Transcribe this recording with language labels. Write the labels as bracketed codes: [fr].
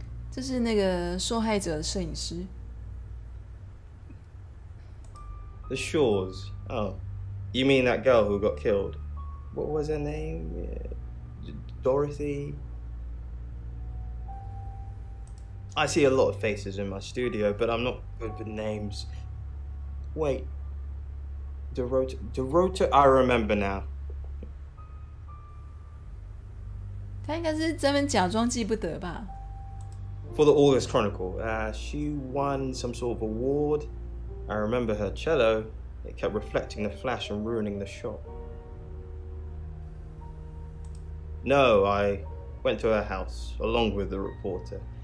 [zh] 这是那个受害者的摄影师。 [en] The Shaws. Oh, you mean that girl who got killed? What was her name? Dorothy? I see a lot of faces in my studio, but I'm not good with names. Wait. Dorota, I remember now. [zh] 他应该是专门假装记不得吧。 [en] For the August Chronicle, she won some sort of award. I remember her cello. It kept reflecting the flash and ruining the shot. No, I went to her house along with the reporter.